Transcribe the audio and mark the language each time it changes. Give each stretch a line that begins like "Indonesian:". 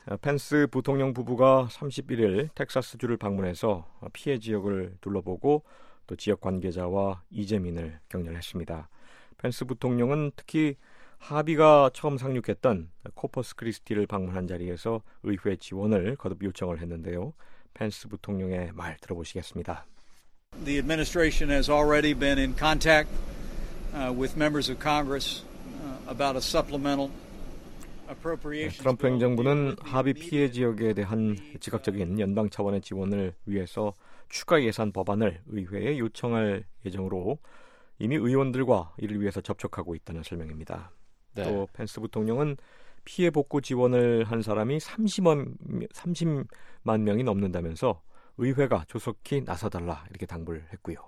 Korean: 펜스 부통령 부부가 31일 텍사스주를 방문해서 피해 지역을 둘러보고 또 지역 관계자와 이재민을 격려했습니다. 펜스 부통령은 특히 하비가 처음 상륙했던 코퍼스 크리스티를 방문한 자리에서 의회 지원을 거듭 요청을 했는데요. 펜스 부통령의 말 들어보시겠습니다.
English: The administration has already been in contact with members of Congress about a supplemental appropriation. 네,
Korean: 트럼프 행정부는 하비 피해 지역에 대한 지각적인 연방 차원의 지원을 위해서 추가 예산 법안을 의회에 요청할 예정으로 이미 의원들과 이를 위해서 접촉하고 있다는 설명입니다. 네. 또 펜스 부통령은 피해 복구 지원을 한 사람이 30만 명이 넘는다면서 의회가 조속히 나서달라 이렇게 당부를 했고요.